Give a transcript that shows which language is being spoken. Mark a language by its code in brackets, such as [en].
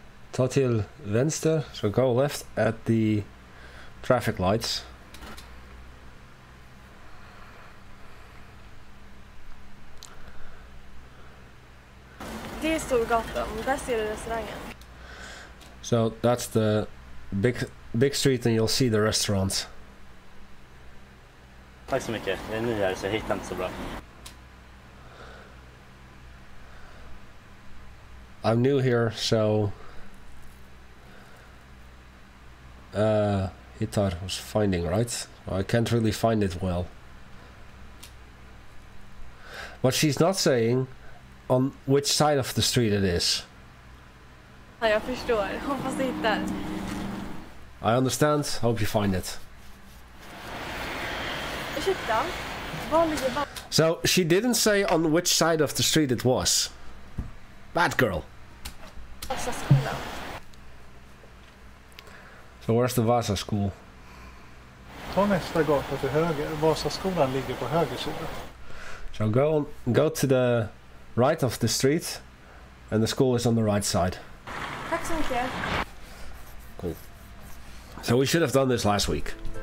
[sv] Ta till vänster, [en] so go left at the traffic lights. [sv] Det är Storgatan, där ser du restaurangen. [en] So that's the big street and you'll see the restaurants. [sv] Tack så mycket, jag är ny här så jag hittar inte så bra. [en] I'm new here, so... he thought I was finding, right? I can't really find it well. But she's not saying on which side of the street it is. [sv] Ja, jag förstår. Hoppas du hittar. [en] I understand. Hope you find it. [sv] Ursäkta. Var ligger bara... [en] So, she didn't say on which side of the street it was. Bad girl. [sv] Alltså, skola. [en] So where's the Vasa school? [sv] Ta nästa gata till höger. Vasaskolan ligger på höger sida. [en] So go to the right of the street and the school is on the right side. [sv] Tack så mycket. [en] Cool. So we should have done this last week.